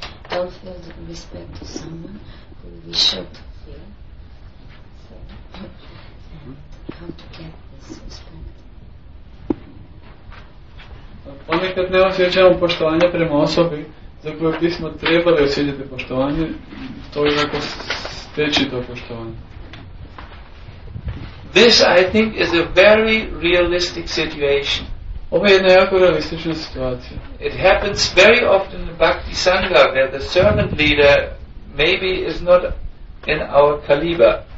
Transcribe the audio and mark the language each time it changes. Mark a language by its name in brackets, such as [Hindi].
[English] Don't feel the respect to someone who we should feel. So, how to get this respect? [Croatian] Ponekad ne osjećamo poštovanje prema osobi za koju bismo trebali osjećati poštovanje, to je kako steći to poštovanje. [English] This, I think, is a very realistic situation. [Croatian] Ovo je jedna jako realistična situacija. [English] It happens very often in Bhakti Sangha where the servant leader maybe is not in our caliber.